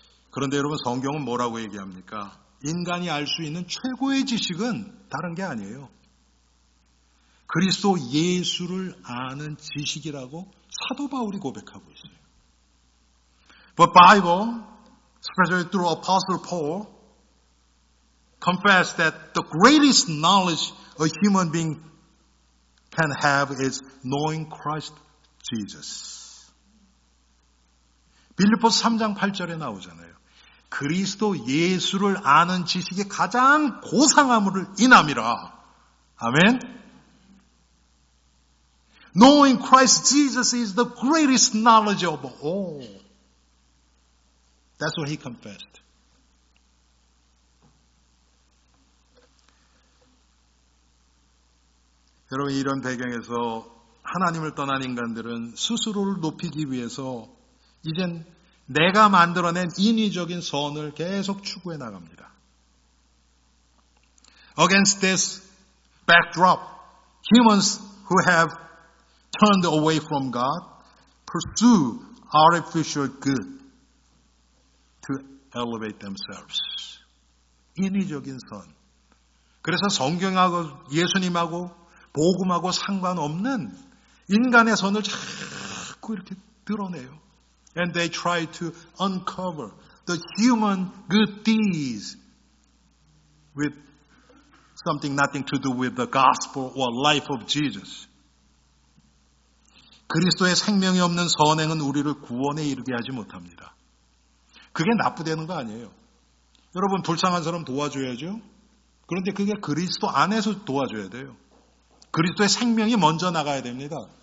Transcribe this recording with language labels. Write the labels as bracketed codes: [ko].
[ko] 그런데 여러분 성경은 뭐라고 얘기합니까? 인간이 알 수 있는 최고의 지식은 다른 게 아니에요. 그리스도 예수를 아는 지식이라고 사도 바울이 고백하고 있어요. [en] But Bible, especially through Apostle Paul, confess that the greatest knowledge a human being can have is knowing Christ Jesus. [ko] 빌립보 3장 8절에 나오잖아요. 그리스도 예수를 아는 지식이 가장 고상함을 인함이라. 아멘. [en] Knowing Christ Jesus is the greatest knowledge of all. That's what he confessed. [ko] 여러분 이런 배경에서 하나님을 떠난 인간들은 스스로를 높이기 위해서 이젠 내가 만들어낸 인위적인 선을 계속 추구해 나갑니다. [en] Against this backdrop, humans who have turned away from God pursue artificial good to elevate themselves. [ko] 인위적인 선. 그래서 성경하고 예수님하고 복음하고 상관없는 인간의 선을 자꾸 이렇게 드러내요. [en] And they try to uncover the human good deeds with something nothing to do with the gospel or life of Jesus. [ko] 그리스도의 생명이 없는 선행은 우리를 구원에 이르게 하지 못합니다. 그게 나쁘다는 거 아니에요. 여러분 불쌍한 사람 도와줘야죠. 그런데 그게 그리스도 안에서 도와줘야 돼요. 그리스도의 생명이 먼저 나가야 됩니다.